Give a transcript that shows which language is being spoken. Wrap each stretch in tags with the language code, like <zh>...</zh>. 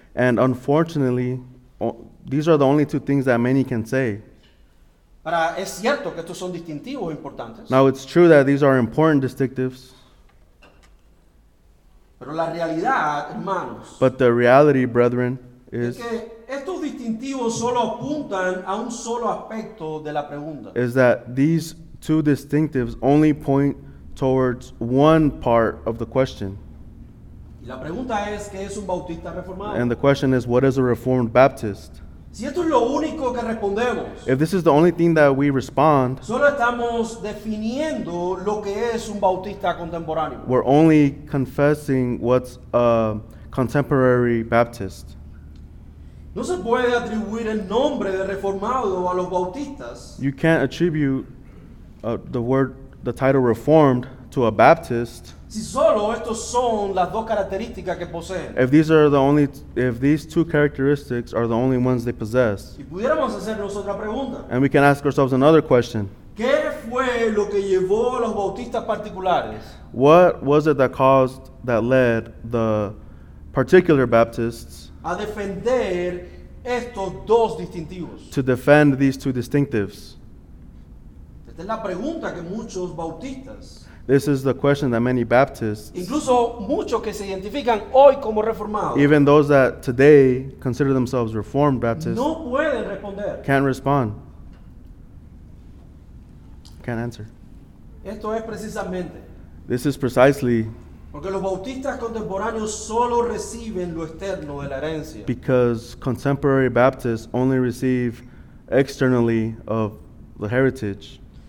<en>And unfortunately, these are the only two things that many can say.</en> <es>Ahora, es cierto que estos son distintivos importantes.</es> <en>Now, it's true that these are important distinctives.</en> <es>Pero la realidad, hermanos,</es> <en>but the reality, brethren, is,</en> <es>que estos distintivos solo apuntan a un solo aspecto de la pregunta.</es> <en>Is that these two distinctives only point towards one part of the question.</en> <es>Y la pregunta es, ¿qué es un bautista reformado?</es> <en>And the question is, what is a Reformed Baptist?</en> <es>Si esto es lo único que respondemos,</es> <en>if this is the only thing that we respond,</en> <es>solo estamos definiendo lo que es un bautista contemporáneo.</es> <en>We're only confessing what's a contemporary Baptist.</en> <es>No se puede atribuir el nombre de reformado a los bautistas.</es> <en>You can't attribute the title Reformed to a Baptist.</en> <es>Si solo estos son las dos características que poseen.</es> <en>If these two characteristics are the only ones they possess.</en> <es>Y pudiéramos hacernos otra pregunta.</es> <en>And we can ask ourselves another question.</en> <es>¿Qué fue lo que llevó a los bautistas particulares?</es> <en>What was it that caused, that led the particular Baptists</en> <es>a defender estos dos distintivos?</es> <en>To defend these two distinctives.</en> <es>Esta es la pregunta que muchos bautistas.</es> <en>This is the question that many Baptists,</en> <es>incluso muchos que se identifican hoy como reformados,</es> <en>even those that today consider themselves Reformed Baptists,</en> <es>no pueden responder.</es> <en>Can't respond. Can't answer.</en> <es>Esto es precisamente.</es> <en>This is precisely.</en> <es>Porque los bautistas contemporáneos solo reciben lo externo de la herencia.</es> <en>Because contemporary Baptists only receive externally of the heritage.</en>